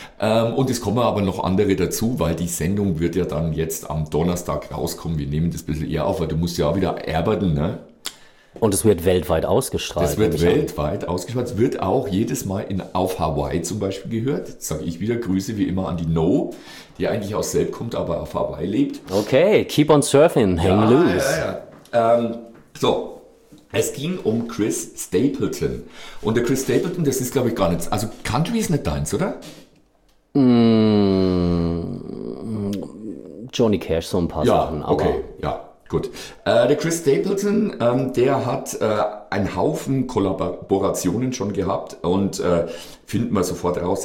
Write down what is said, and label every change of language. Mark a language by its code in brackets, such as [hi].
[de] Und es kommen aber noch andere dazu, weil die Sendung wird ja dann jetzt am Donnerstag rauskommen. Wir nehmen das ein bisschen eher auf, weil du musst ja auch wieder erbaden, ne? Und es wird weltweit ausgestrahlt. Es wird weltweit ausgestrahlt. Es wird auch jedes Mal auf Hawaii zum Beispiel gehört. Jetzt sage ich wieder Grüße wie immer an die No, die eigentlich aus Selb kommt, aber auf Hawaii lebt. [en] Okay, keep on surfing, hang loose. [de] Ja, ja, ja. So, es ging um Chris Stapleton. Und der Chris Stapleton, das ist glaube ich gar nichts. Also Country ist nicht deins, oder? Johnny Cash, so ein paar Sachen. Ja, okay, ja. Gut. Der Chris Stapleton, der hat einen Haufen Kollaborationen schon gehabt und finden wir sofort raus.